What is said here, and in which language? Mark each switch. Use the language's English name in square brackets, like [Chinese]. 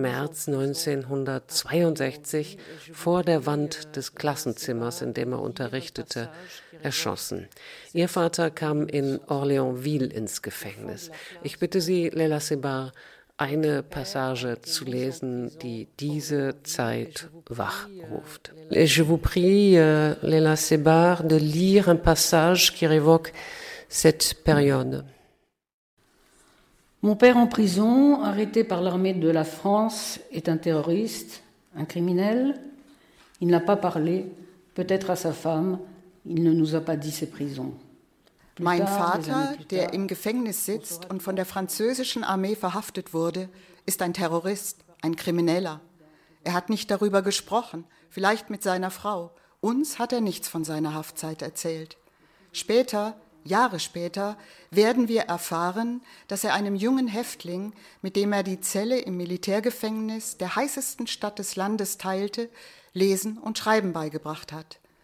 [German] März 1962 vor der Wand des Klassenzimmers, in dem er unterrichtete, erschossen. Ihr Vater kam in Orléansville ins Gefängnis. Ich bitte Sie, Léla Sebar, eine Passage zu lesen, die diese Zeit wachruft. [French] Et je vous prie, Léla Sebar, de lire un passage qui révoque cette période. Mon père en prison, arrêté par l'armée de la France, est un terroriste, un criminel. Il n'a pas parlé, peut-être à sa femme, il ne nous a pas dit ses prisons. [German] Mein Vater, der im Gefängnis sitzt und von der französischen Armee verhaftet wurde, ist ein Terrorist, ein Krimineller. Er hat nicht darüber gesprochen, vielleicht mit seiner Frau. Uns hat er nichts von seiner Haftzeit erzählt. Später, Jahre später, werden wir erfahren, dass er einem jungen Häftling, mit dem er die Zelle im Militärgefängnis der heißesten Stadt des Landes teilte, Lesen und Schreiben beigebracht hat.